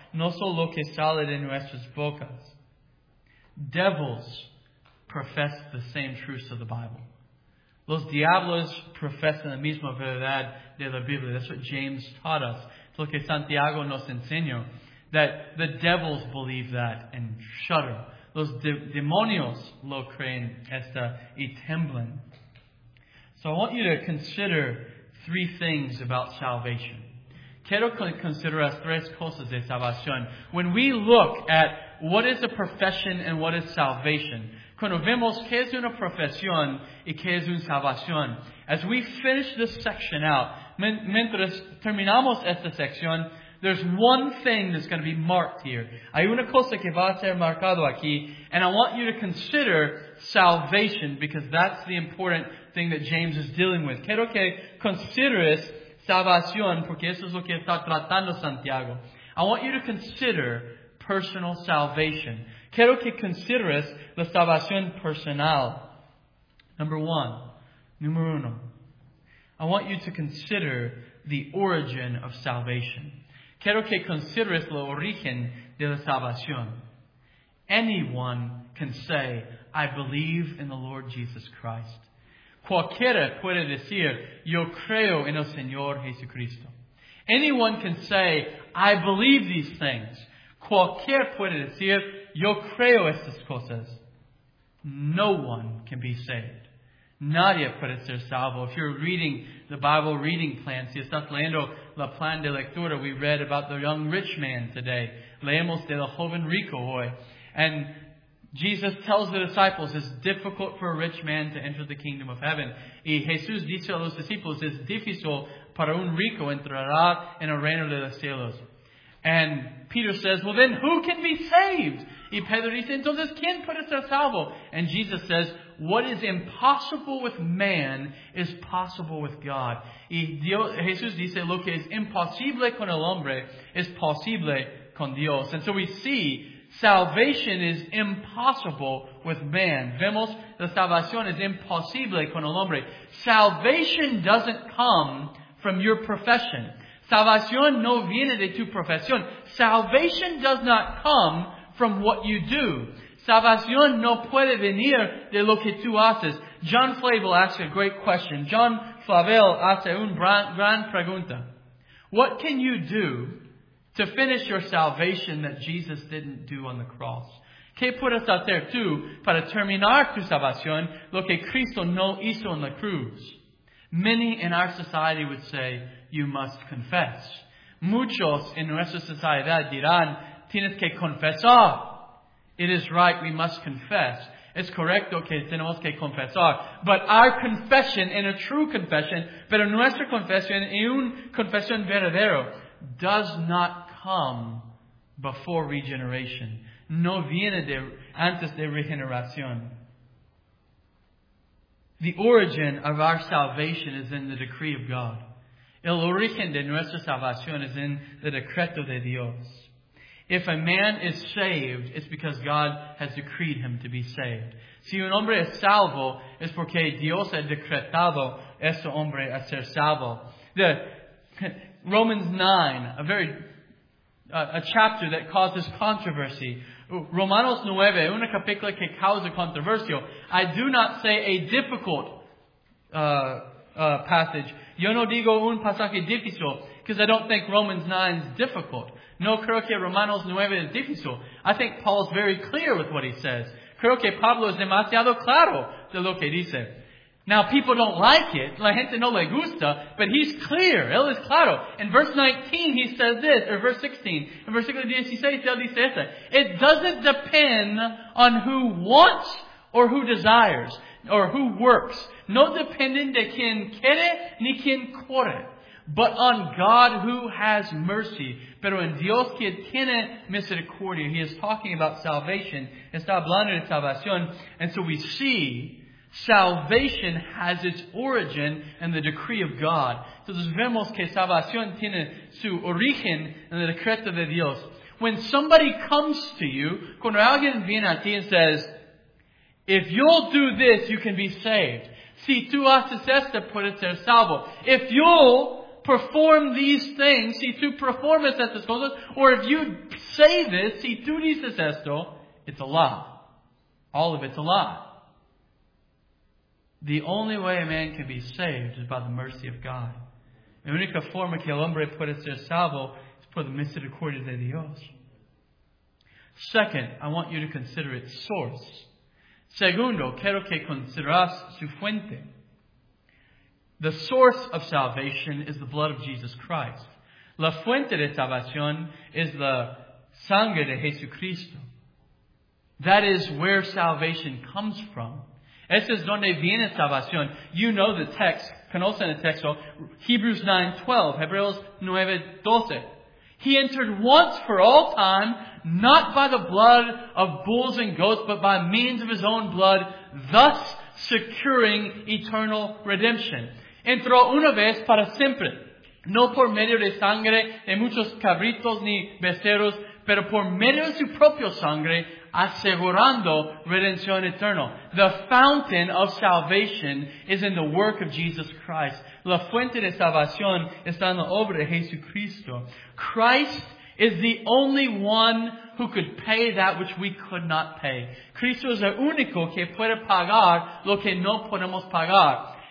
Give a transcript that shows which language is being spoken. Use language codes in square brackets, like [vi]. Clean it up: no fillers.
[es] No solo lo que sale de nuestras bocas. [en] Devils profess the same truths of the Bible. [es] Los diablos profesan la misma verdad de la Biblia. [en] That's what James taught us. It's [es] lo que Santiago nos enseñó. [en] That the devils believe that and shudder. [es] Los demonios lo creen esta y temblan. [en] So I want you to consider three things about salvation. [es] Quiero consideras tres cosas de salvación. [en] When we look at what is a profession and what is salvation, [es] cuando vemos qué es una profesión y qué es una salvación, [en] as we finish this section out, [es] mientras terminamos esta sección, [en] there's one thing that's going to be marked here. [es] Hay una cosa que va a ser marcado aquí, [en] and I want you to consider salvation because that's the important thing that James is dealing with. [es] Quiero que consideres salvación, porque eso es lo que está tratando Santiago. [en] I want you to consider personal salvation. [es] Quiero que consideres la salvación personal. [en] Number one. [es] Número uno. [en] I want you to consider the origin of salvation. [es] Quiero que consideres el origen de la salvación. [en] Anyone can say, I believe in the Lord Jesus Christ. [es] Cualquiera puede decir, yo creo en el Señor Jesucristo. [en] Anyone can say, I believe these things. [es] Cualquiera puede decir, yo creo estas cosas. [en] No one can be saved. [es] Nadie puede ser salvo. [en] If you're reading the Bible reading plan, [es] si estás leyendo la plan de lectura, [en] we read about the young rich man today. [es] Leemos de la joven rico hoy. [en] And Jesus tells the disciples, it's difficult for a rich man to enter the kingdom of heaven. [es] Y Jesús dice a los discípulos, es difícil para un rico entrar en el reino de los cielos. [en] And Peter says, well, then who can be saved? [es] Y Pedro dice, entonces, ¿quién puede ser salvo? [en] And Jesus says, what is impossible with man is possible with God. [es] Y Jesús dice, lo que es imposible con el hombre es posible con Dios. [en] And so we see, salvation is impossible with man. [es] Vemos, la salvación es imposible con el hombre. [en] Salvation doesn't come from your profession. [es] Salvación no viene de tu profesión. [en] Salvation does not come from what you do. [es] Salvación no puede venir de lo que tú haces. [en] John Flavel asks a great question. [es] John Flavel hace una gran pregunta. [en] What can you do to finish your salvation that Jesus didn't do on the cross? [es] ¿Qué puedes hacer tú para terminar tu salvación lo que Cristo no hizo en la cruz? [en] Many in our society would say, you must confess. [es] Muchos en nuestra sociedad dirán, tienes que confesar. [en] It is right, we must confess. [es] Es correcto que tenemos que confesar. [en] But our confession, in a true confession, [es] pero nuestra confesión, en una confesión verdadera, [en] does not come before regeneration. [es] No viene de antes de regeneración. [en] The origin of our salvation is in the decree of God. [es] El origen de nuestra salvación es en el decreto de Dios. [en] If a man is saved, it's because God has decreed him to be saved. [es] Si un hombre es salvo, es porque Dios ha decretado ese hombre a ser salvo. [en] The Romans 9, a chapter that causes controversy. [es] Romanos 9, una capítulo que causa controversia. [en] I do not say a difficult passage. Yo no digo un pasaje difícil, because I don't think Romans 9 is difficult. [es] No creo que Romanos 9 es difícil. [en] I think Paul's very clear with what he says. [es] Creo que Pablo es demasiado claro de lo que dice. [en] Now, people don't like it. [es] La gente no le gusta. [en] But he's clear. [es] Él es claro. [en] In verse 19, he says this. Or verse 16. In verse 16, [es] él dice esto. [en] It doesn't depend on who wants or who desires. Or who works. [es] No dependen de quien quiere ni quien quiere. [en] But on God who has mercy. [es] Pero en Dios que tiene misericordia. [en] He is talking about salvation. [es] Está hablando de salvación. [en] And so we see salvation has its origin in the decree of God. [es] Entonces vemos que salvación tiene su origen en el decreto de Dios. [en] When somebody comes to you, [es] cuando alguien viene a ti [en] and says, if you'll do this, you can be saved. [es] Si tú haces esto, puedes ser salvo. [en] If you'll perform these things, [es] si tú performas estas cosas, [en] or if you say this, [es] si tú dices esto, [en] it's a lie. All of it's a lie. The only way a man can be saved is by the mercy of God. [es] La única forma que el hombre puede ser salvo es por la misericordia de Dios. [en] Second, I want you to consider its source. [es] Segundo, quiero que consideras su fuente. [en] The source of salvation is the blood of Jesus Christ. [es] La fuente de salvación es la sangre de Jesucristo. [en] That is where salvation comes from. [es] Ese es donde viene salvación. [en] You know the text. [es] Conocen el texto. [en] Hebrews 9:12. [es] Hebreos 9:12. [en] He entered once for all time, not by the blood of bulls and goats, but by means of his own blood, thus securing eternal redemption. [es] Entró una vez para siempre. No por medio de sangre de muchos cabritos ni becerros, pero por medio de su propia sangre, asegurando redención eterna. [en] The fountain of salvation is in the work of Jesus Christ. [es] La fuente de salvación está en la obra de Jesucristo. [en] Christ is the only one who could pay that which we could not pay. [es] Cristo es el único que puede pagar lo que no podemos pagar.